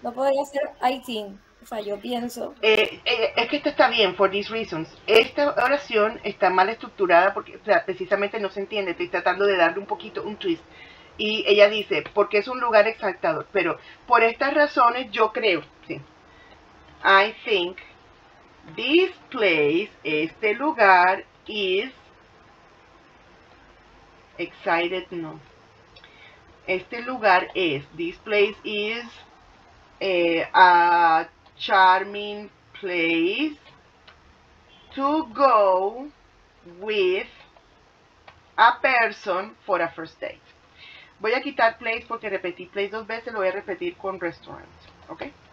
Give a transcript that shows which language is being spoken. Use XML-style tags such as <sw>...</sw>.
<es>No podría ser</es> <en>I think,</en> <es>o sea, yo pienso. Es que esto está bien,</es> <en>for these reasons.</en> <es>Esta oración está mal estructurada porque, o sea, precisamente no se entiende. Estoy tratando de darle un poquito, un twist. Y ella dice, porque es un lugar encantador. Pero por estas razones, yo creo, sí.</es> <en>I think this place,</en> <es>este lugar,</es> <en>is excited, no.</en> <es>Este lugar es,</es> <en>this place is a charming place to go with a person for a first date.</en> <es>Voy a quitar place porque repetí place dos veces, lo voy a repetir con restaurant, ¿ok?</es>